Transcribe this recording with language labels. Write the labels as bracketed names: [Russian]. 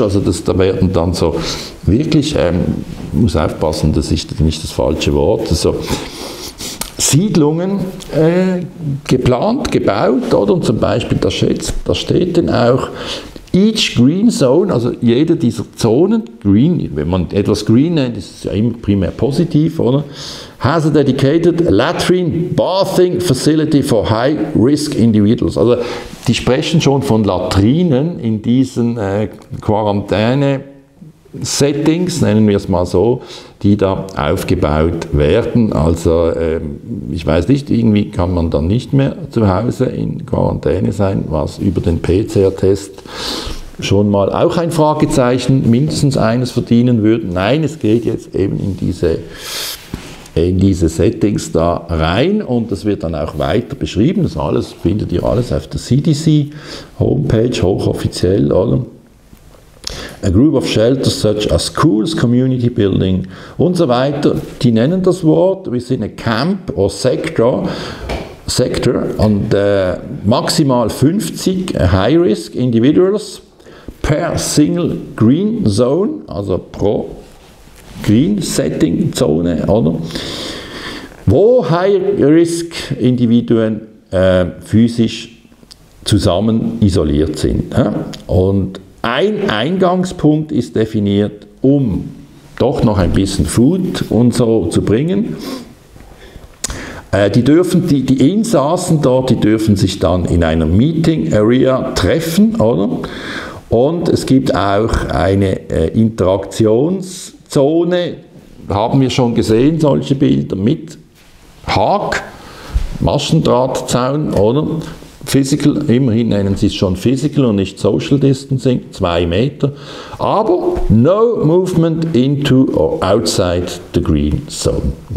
[German] Also da werden dann so wirklich, muss aufpassen, das ist nicht das falsche Wort, so Siedlungen geplant, gebaut, oder? Und zum Beispiel, da steht dann auch, [English] each green zone, [German] also jede dieser Zonen, green, wenn man etwas green nennt, ist es ja immer primär positiv, oder? [English] Has a dedicated latrine bathing facility for high risk individuals. [German] Also die sprechen schon von Latrinen in diesen Quarantäne-Settings, nennen wir es mal so, die da aufgebaut werden. Also ich weiß nicht, irgendwie kann man dann nicht mehr zu Hause in Quarantäne sein, was über den PCR-Test schon mal auch ein Fragezeichen, mindestens eines verdienen würde. Nein, es geht jetzt eben in diese in diese Settings da rein und das wird dann auch weiter beschrieben. Das alles findet ihr alles auf der CDC-Homepage, hochoffiziell, oder? [English] A group of shelters such as schools, community building [German] und so weiter. Die nennen das Wort, wir sind ein Camp [English] or Sector. [German] Sektor und maximal 50 [English] High-Risk Individuals per Single Green Zone, [German] also pro Green Setting Zone, oder? Wo High-Risk Individuen physisch zusammen isoliert sind. Ja? Und ein Eingangspunkt ist definiert, um doch noch ein bisschen Food und so zu bringen. Die Insassen dort, die dürfen sich dann in einer Meeting Area treffen, oder? Und es gibt auch eine Interaktionszone, haben wir schon gesehen, solche Bilder, mit Haag, Maschendrahtzaun, oder? Physical, immerhin nennen sie es schon Physical und nicht Social Distancing, 2 Meter. Aber [English] no movement into or outside the green zone.